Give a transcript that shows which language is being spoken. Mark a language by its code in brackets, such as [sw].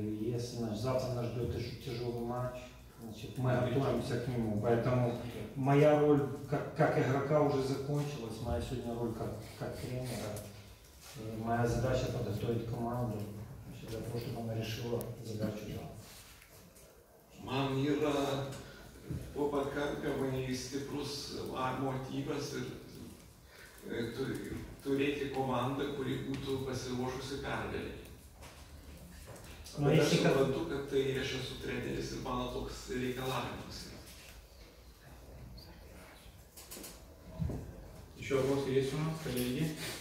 [ru] Если завтра нас ждет еще тяжелый матч, значит, мы готовимся к нему. Поэтому моя роль как игрока уже закончилась, моя сегодня роль как тренера. И моя задача подготовить команду значит, для того, чтобы она решила задачу. [lt] Man yra po pakankamai stiprus motyvas ir turėti komandą, kuri būtų pasiruošusi pergalė. Aš suprantu, kad tai aš esu treneris ir mano toks reikalavimas. [ru] Еще вопрос есть у нас, коллеги?